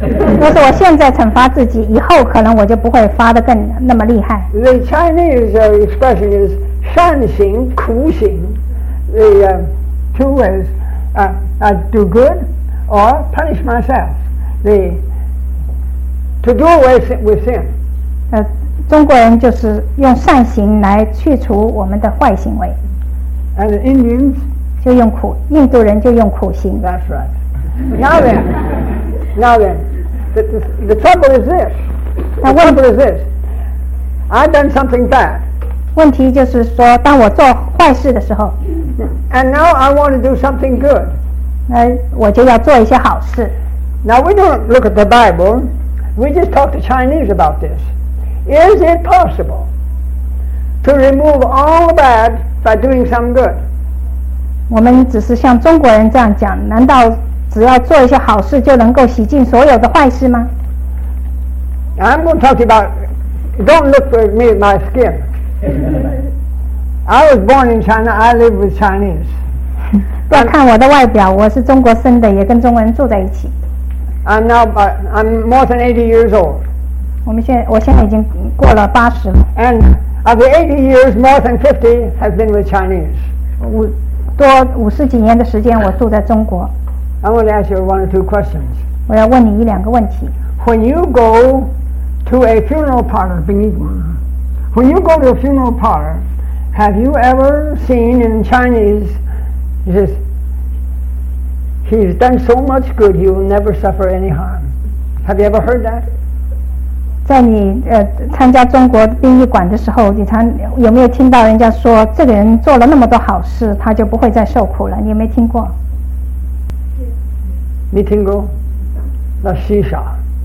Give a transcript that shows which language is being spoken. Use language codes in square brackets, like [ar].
[zh] 那是我现在惩罚自己，以后可能我就不会发得更那么厉害。 [en] The Chinese expression is [zh] 善行苦行 [en] The two ways: I do good or punish myself. The to do away with sin. [zh] 中国人就是用善行来去除我们的坏行为。 [en] And the Indians? [zh] 就用苦，印度人就用苦行。 [en] That's right. Now then, the trouble is this. The trouble is this. I've done something bad. [zh] 问题就是说，当我做坏事的时候。 [en] And now I want to do something good. [zh] 那我就要做一些好事。 [en] Now we don't look at the Bible. We just talk to Chinese about this. Is it possible to remove all the bad by doing some good? [zh] 我们只是像中国人这样讲，难道只要做一些好事就能够洗净所有的坏事吗？ [en] I'm going to talk to you about, don't look at me at my skin. I was born in China, I live with Chinese. [zh] 不要看我的外表，我是中国生的，也跟中国人住在一起。 [en] I'm more than 80 years old. [zh] 我现在已经过了八十了。 [en] And of the 80 years, more than 50 has been with Chinese. [zh] 五十几年的时间我住在中国。 [en] I want to ask you one or two questions. [zh] 我要问你一两个问题。 [en] When you go to a funeral parlor, when you go to a funeral parlor, have you ever seen in Chinese, he says, he's done so much good, he will never suffer any harm. Have you ever heard that? [zh] 在你参加中国殡仪馆的时候，你有没有听到人家说，这个人做了那么多好事，他就不会再受苦了？你有没有听过？你听过？那稀少。